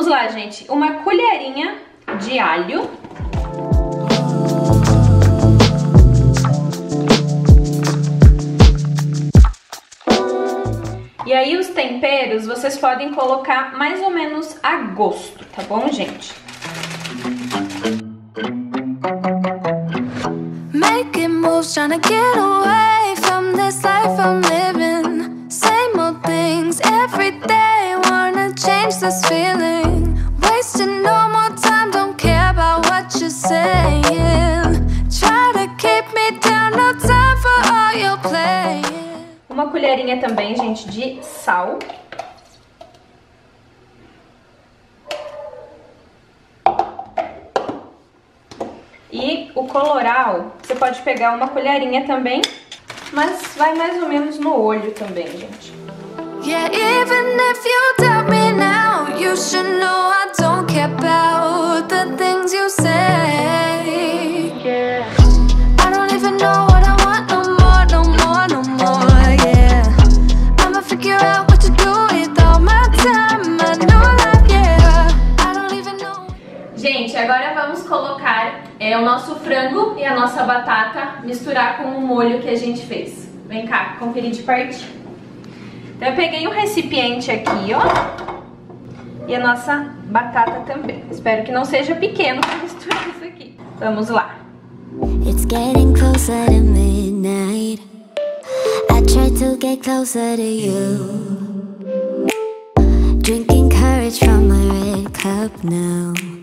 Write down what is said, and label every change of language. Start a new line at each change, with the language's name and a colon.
Portuguese: Gente, uma colherinha de alho, e aí os temperos vocês podem colocar mais ou menos a gosto, tá bom, gente?
English: Making moves, trying to get away from this life I'm living. Same old things every day, wanna change this feeling. No more time, don't care about what you're saying. Try to keep me down, no time for all your playing.
Portuguese: Uma colherinha também, gente, de sal. E o colorau, você pode pegar uma colherinha também, mas vai mais ou menos no olho também, gente.
English: Yeah, even if you tell me now, you should know I don't care about the things you say. Yeah. I don't even know what I want no more, no more, no more, yeah. I'ma figure out what to do with all my time, my new life, yeah. I don't even know.
Portuguese: Gente, agora vamos colocar o nosso frango e a nossa batata, misturar com o molho que a gente fez. Vem cá, conferir de pertinho. Eu peguei um recipiente aqui, ó, e a nossa batata também. Espero que não seja pequeno pra misturar isso aqui. Vamos lá.
English: It's getting closer to midnight. I try to get closer to you. Drinking courage from my red cup now.